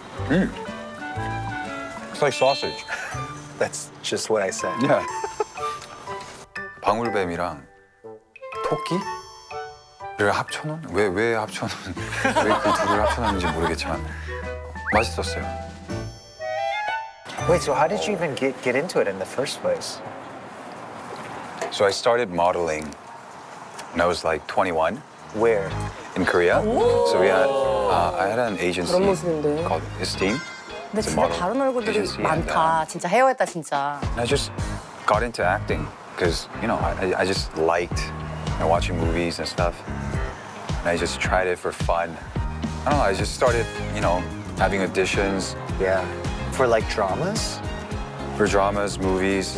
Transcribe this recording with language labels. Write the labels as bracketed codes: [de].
[en] It's like sausage. That's just what I said. Yeah. [ko] 방울뱀이랑 토끼? 를 합쳐놓은? 왜 합쳐놓은? 왜 그 둘을 합쳐놨는지 모르겠지만 맛있었어요. [en] Wait, so how did you even get into it in the first place? So I started modeling when I was like 21. Where? In Korea. So we had, I had an agency called Esteem. [ko] 근데 진짜 다른 얼굴들이 많다, 진짜 헤어했다, 진짜. [en] And I just got into acting because, you know, I just liked and watching movies and stuff. And I just tried it for fun. I don't know, I just started, you know, having auditions. Yeah, for like dramas? For dramas, movies,